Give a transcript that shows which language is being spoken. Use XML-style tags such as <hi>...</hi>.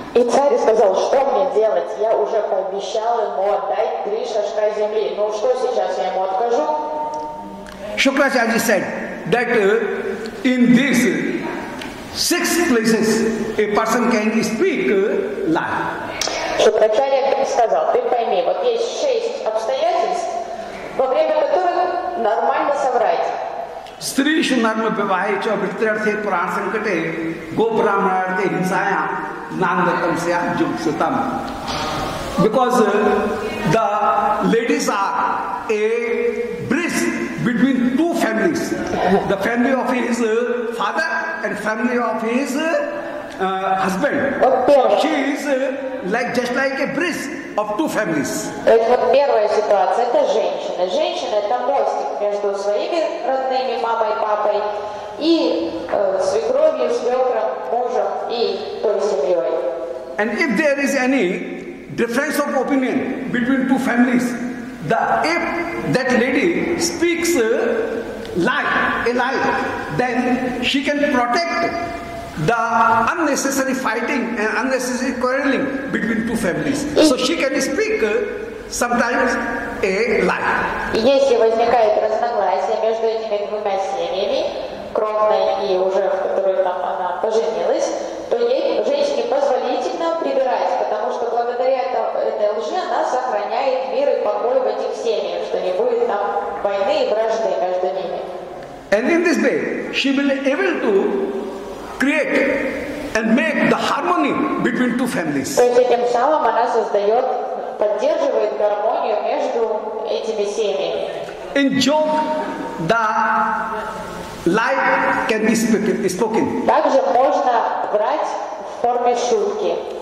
<ru>И царь сказал, что мне делать? Я уже пообещал ему отдать 3 шашка земли. Ну что сейчас я ему откажу?</ru> <en>Shukracharya said that in this 6 places a person can speak lie.</en> <ru>Шукрачарья сказал, ты пойми, вот есть 6 обстоятельств, во время которых нормально соврать.</ru> <sa>Стришу нарма бивайча битрарте прасанкате гопрамарте хинсая нандакамсия джуксатам.</sa> <en>Because the ladies are a bridge between 2 families. The family of his father and family of his husband. She is like just like a bridge of two families.</en> <ru>То есть вот первая ситуация — это женщина. Женщина — это мостик между своими родными, мамой, папой, и свекровью, свекром, мужем и той семьей.</ru> <en>And if there is any difference of opinion between two families, if that lady speaks a lie, then she can protect the unnecessary fighting and unnecessary quarreling between two families. So she can speak sometimes a lie.</en> <ru>Если возникает разногласие между этими двумя семьями, кровная и уже, в которой там она поженилась, то ей, женщине, позволительно прибирать, потому что благодаря этой лжи она сохраняет мир и покой в этих семьях, что не будет там войны и вражды между ними.</ru> <en>And in this way, she will be able to create and make the harmony between two families.</en> <ru>То есть этим самым она создает, поддерживает гармонию между этими семьями.</ru> <en>In joke, the lie can be spoken.</en> <ru>Также можно врать в форме шутки.</ru>